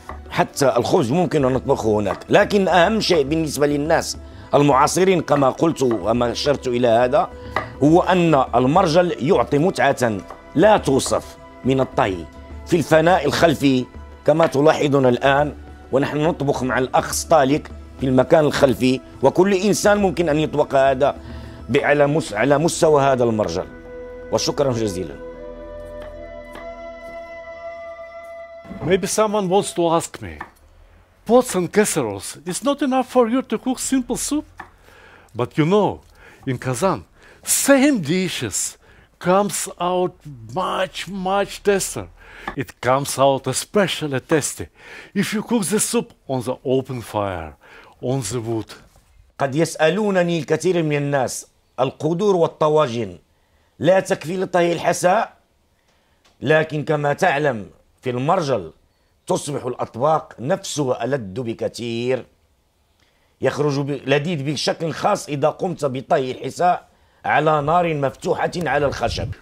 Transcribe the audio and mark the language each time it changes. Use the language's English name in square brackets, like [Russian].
[Arabic] حتى الخبز ممكن أن نطبخه هناك. لكن أهم شيء بالنسبة للناس المعاصرين كما قلت وما أشرت إلى هذا هو أن المرجل يعطي متعة لا توصف من الطهي في الفناء الخلفي كما تلاحظون الآن ونحن نطبخ مع الأخ ستاليك في المكان الخلفي وكل إنسان ممكن أن يطبق هذا على مستوى هذا المرجل وشكرا جزيلا. [English] Maybe someone wants to ask me, pots and casseroles, it's not enough for you to cook simple soup? But you know, in Kazan, same dishes comes out much, much tastier. It comes out especially tasty if you cook the soup on the open fire, on the wood. [Arabic] قد يسألونني الكثير من الناس القدور والطواجن لا تكفي لطهي الحساء لكن كما تعلم في المرجل تصبح الأطباق نفسها ألذ بكثير يخرج لذيذ بشكل خاص إذا قمت بطهي الحساء على نار مفتوحة على الخشب.